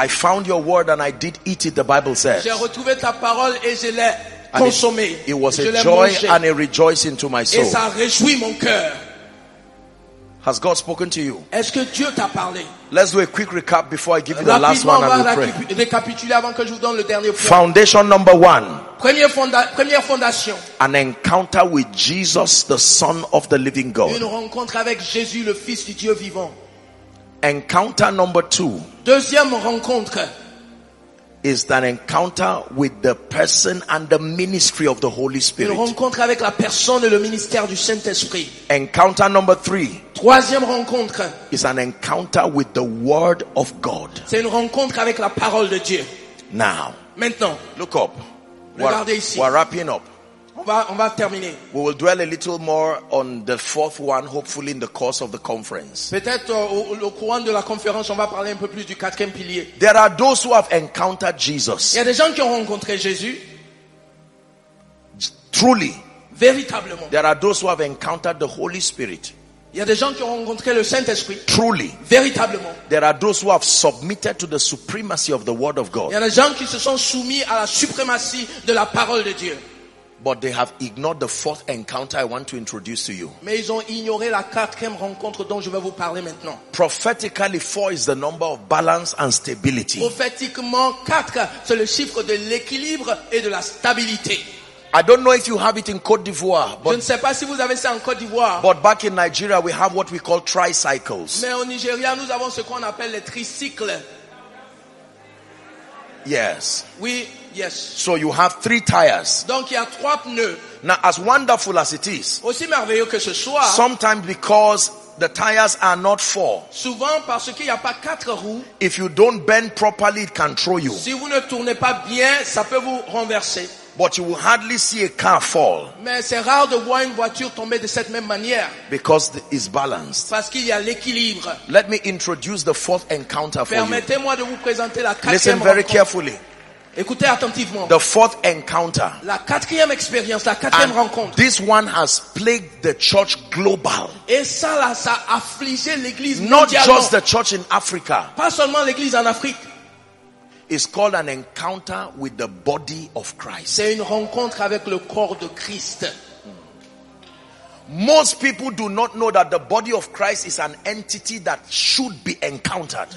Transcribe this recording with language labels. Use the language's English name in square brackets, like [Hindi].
[English] I found your word and I did eat it, the Bible says. [French] J'ai retrouvé ta parole et je l'ai consommé. [English] It was a joy and a rejoicing to my soul. [French] Et ça réjouit mon cœur. [English] Has God spoken to you? [French] Est-ce que Dieu t'a parlé? [English] Let's do a quick recap before I give you the last one and we'll pray. [French] Récapituler avant que je vous donne le dernier point. [English] Foundation number one. [French] Première fondation. [English] An encounter with Jesus, the Son of the Living God. [French] Une rencontre avec Jésus, le Fils du Dieu vivant. [English] Encounter number two. [French] Deuxième rencontre. [English] Is an encounter with the person and the ministry of the Holy Spirit. [French] Une rencontre avec la personne et le ministère du Saint-Esprit. [English] Encounter number three. [French] Troisième rencontre. [English] Is an encounter with the Word of God. [French] C'est une rencontre avec la parole de Dieu. [English] Now. [French] Maintenant. [English] Look up. [French] Regardez ici. [English] We're wrapping up. [French] On va terminer. [English] We will dwell a little more on the fourth one, hopefully in the course of the conference. [French] Peut-être au courant de la conférence, on va parler un peu plus du quatrième pilier. [English] There are those who have encountered Jesus. [French] Il y a des gens qui ont rencontré Jésus. [English] Truly. [French] Véritablement. [English] There are those who have encountered the Holy Spirit. [French] Il y a des gens qui ont rencontré le Saint-Esprit. [English] Truly. [French] Véritablement. [English] There are those who have submitted to the supremacy of the Word of God. [French] Il y a des gens qui se sont soumis à la suprématie de la parole de Dieu. [English] But they have ignored the fourth encounter I want to introduce to you. [French] Mais ils ont ignoré la quatrième rencontre dont je vais vous parler maintenant. [English] Prophetically, four is the number of balance and stability. [French] Prophétiquement, quatre, c'est le chiffre de l'équilibre et de la stabilité. [English] I don't know if you have it in Côte d'Ivoire. But, [French] je ne sais pas si vous avez ça en Côte d'Ivoire. [English] But back in Nigeria, we have what we call tricycles. [French] Mais au Nigeria, nous avons ce qu'on appelle les tricycles. [English] Yes. [French] Oui, yes. [English] So you have three tires. [French] Donc il y a trois pneus. [English] Now, as wonderful as it is, [French] aussi merveilleux que ce soit, [English] sometimes because the tires are not four, [French] souvent parce qu'il y a pas quatre roues, [English] if you don't bend properly, it can throw you. [French] Si vous ne tournez pas bien, ça peut vous renverser. [English] But you will hardly see a car fall. [French] Mais c'est rare de voir une voiture tomber de cette même manière. [English] Because it's balanced. [French] Parce qu'il y a l'équilibre. [English] Let me introduce the fourth encounter for you. [French] Permettez-moi de vous présenter la quatrième. [English] Listen very carefully. [French] Écoutez attentivement. [English] The fourth encounter. [French] La quatrième expérience, la quatrième rencontre. [English] This one has plagued the church global. [French] Et ça là, ça affligé l'église [English] mondialement. Not just the church in Africa. [French] Pas seulement l'église en Afrique. [English] Is called an encounter with the body of Christ. [French] C'est une rencontre avec le corps de Christ. [English] Most people do not know that the body of Christ is an entity that should be encountered.